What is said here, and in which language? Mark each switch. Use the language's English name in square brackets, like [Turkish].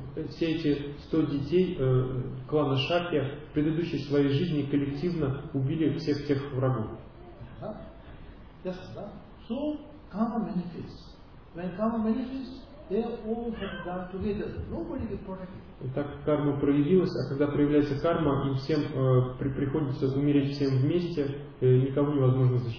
[Russian] Все эти 100 детей клана Шакья в предыдущей своей жизни коллективно убили всех тех врагов. [English] Yes, so karma manifests. When karma manifests, they all have done together. Nobody can protect it. [Russian] Итак, карма проявилась, а когда проявляется карма, им всем приходится умереть всем вместе, никого невозможно